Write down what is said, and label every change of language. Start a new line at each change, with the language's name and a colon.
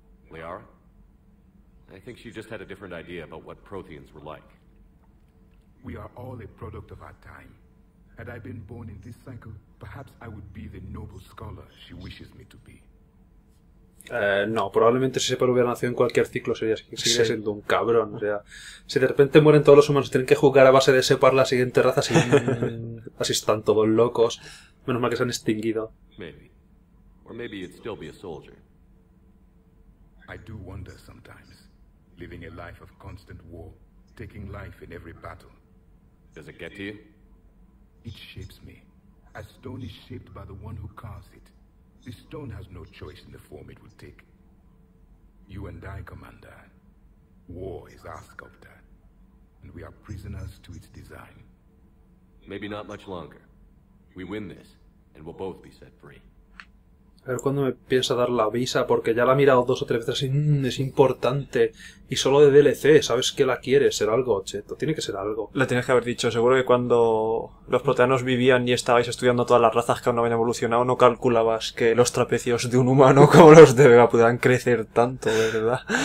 English: Liara? I think she just had a different idea about what Protheans were like. We are all a product of our time. Had I been born in this cycle, perhaps I would be the noble scholar she wishes me to be.
Spanish: No, probablemente si Sepal hubiera nacido en cualquier ciclo seguiría siendo un cabrón. O sea, si de repente mueren todos los humanos y tienen que jugar a base de Sepal la siguiente raza, así, así están todos locos. Menos mal que se han extinguido.
English: Maybe. Or maybe you'd still be a soldier. I do wonder sometimes, living a life of constant war, taking life in every battle. Does it get to you? It shapes me, as stone is shaped by the one who carves it. This stone has no choice in the form it will take. You and I, Commander. War is our sculptor. And we are prisoners to its design. Maybe not much longer. We win this, and we'll both be set free.
Spanish: A ver cuándo me piensa dar la visa, porque ya la ha mirado dos o tres veces y es importante. Y solo de DLC, ¿sabes que la quiere? ¿Será algo, cheto? Tiene que ser algo. Le tienes que haber dicho, seguro que cuando los proteanos vivían y estabais estudiando todas las razas que aún no habían evolucionado, no calculabas que los trapecios de un humano como los de Vega pudieran crecer tanto, ¿verdad?